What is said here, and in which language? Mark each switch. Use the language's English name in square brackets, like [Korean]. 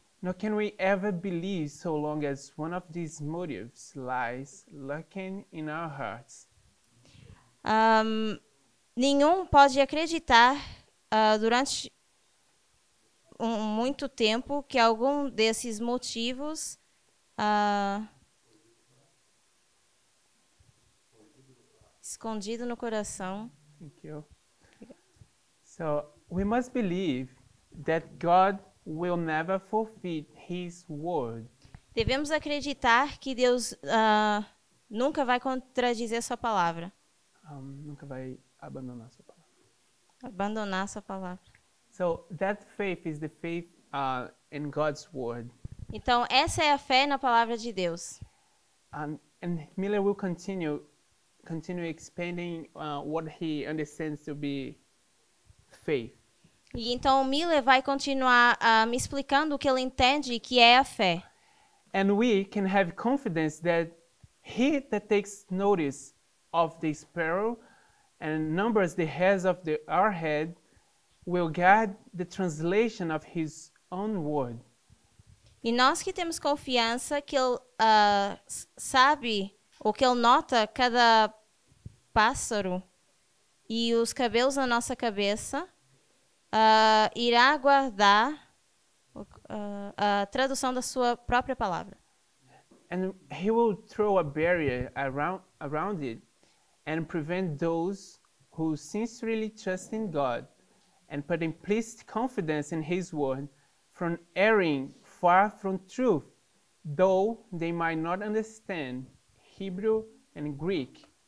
[English] Nor can we ever believe so long as one of these motives lies lurking in our hearts. [Portuguese] Nenhum pode acreditar durante muito tempo que algum desses motivos escondido no coração. [English] Thank you. So, we must believe that God will never forfeit his word. [Portuguese] Devemos acreditar que Deus nunca vai contradizer sua palavra. Nunca vai abandonar sua palavra. Abandonar sua palavra. [English] So, that faith is the faith in God's word. [Portuguese] Então, essa é a fé na palavra de Deus. [English] And Miller will continue expanding what he understands to be faith. [Portuguese] E então o Miller vai continuar me explicando o que ele entende que é a fé. [English] And we can have confidence that he that takes notice of the sparrow and numbers the hairs of our head will guide the translation of his own word. [Portuguese] E nós que temos confiança que ele sabe ou que ele nota cada pássaro e os cabelos na nossa cabeça, irá guardar a tradução da sua própria palavra. [English] And he will throw a barrier around it and prevent those who sincerely trust in God and put implicit confidence in his word from erring far from truth, though they might not understand Hebrew and Greek.